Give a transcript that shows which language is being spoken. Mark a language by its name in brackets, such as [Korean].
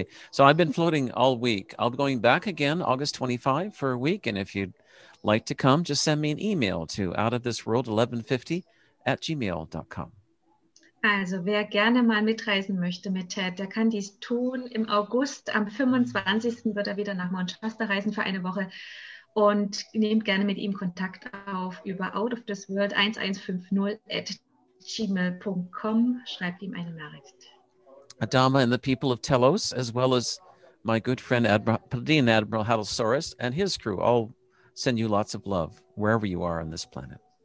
[English] So I've been floating all week. I'll be going back again August 25 for a week. And if you'd like to come, just send me an email to outofthisworld1150@gmail.com. [German] Also wer gerne mal mitreisen möchte mit Ted, der kann dies tun. Im August, am 25. wird er wieder nach Mount Shasta reisen für eine Woche. Und nehmt gerne mit ihm Kontakt auf über outofthisworld1150@gmail.com. Schreibt ihm eine Nachricht. [English] Adama and the people of Telos, as well as my good friend Padian Admiral Hadalsaurus and his crew, all send you lots of love wherever you are on this planet.